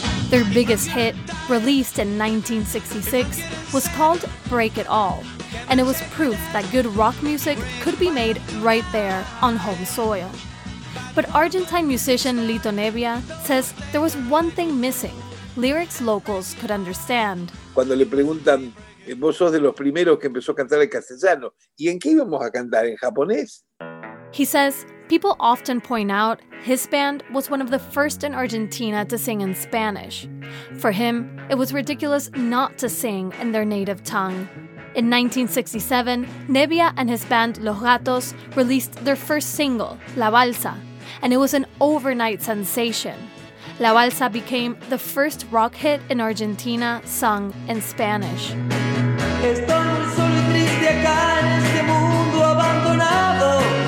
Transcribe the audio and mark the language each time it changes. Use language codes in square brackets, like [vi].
[en] Their biggest hit, released in 1966, was called Break It All, and it was proof that good rock music could be made right there on home soil. But Argentine musician Lito Nevia says there was one thing missing, lyrics locals could understand. [es] Cuando le preguntan, vos sos de los primeros que empezó a cantar en castellano, ¿y en qué íbamos a cantar? ¿En japonés? [en] He says people often point out his band was one of the first in Argentina to sing in Spanish. For him, it was ridiculous not to sing in their native tongue. In 1967, Nevia and his band Los Gatos released their first single, La Balsa, and it was an overnight sensation. La Balsa became the first rock hit in Argentina sung in Spanish. [es] Estoy solo y triste acá en este mundo abandonado.